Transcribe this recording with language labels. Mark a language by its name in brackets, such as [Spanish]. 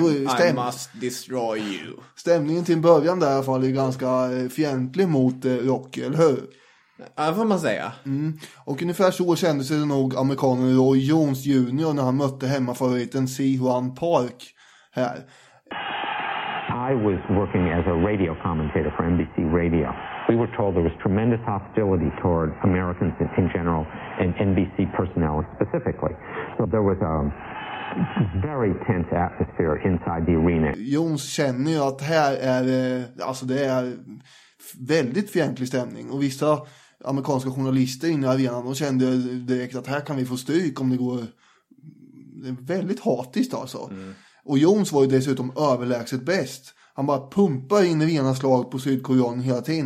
[English] I must destroy you. [Swedish] Stämningen till början där i alla fall är ganska fientlig mot Rocky, eller hur? Ja, får man säga. Mm. Och ungefär så kände sig nog amerikanen Roy Jones Jr. när han mötte hemmafavoriten Si-Huan Park här. [English] I was working as a radio commentator for NBC Radio. We were told there was tremendous hostility toward Americans in general and NBC personnel specifically. So there was a very tense atmosphere inside the arena. [Swedish] Jones känner ju att här är, alltså det är väldigt fientlig stämning. Och vissa amerikanska journalister inne i arenan, de kände direkt att här kan vi få stryk om det går väldigt hatiskt alltså. Mm. Och Jones var ju dessutom överlägset bäst. Han bara pumpar in i ena slag på sydkoreanen hela tiden.